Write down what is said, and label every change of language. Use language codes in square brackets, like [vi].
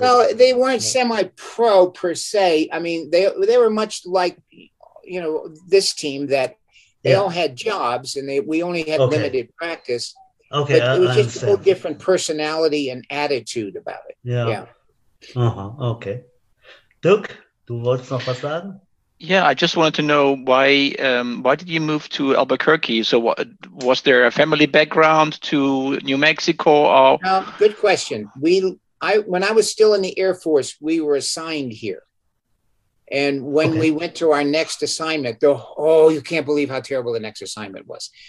[en] No, they weren't semi-pro per se. I mean, they were much like, you know, this team that they all had jobs, and we only had limited practice. Okay, but it was just a whole different personality and attitude about it. Yeah. Uh-huh. Okay. [de] Dirk, du wolltest noch was sagen? [en] Yeah, I just wanted to know why did you move to Albuquerque? So was there a family background to New Mexico? Or? Good question. When I was still in the Air Force, we were assigned here. And when we went to our next assignment, you can't believe how terrible the next assignment was.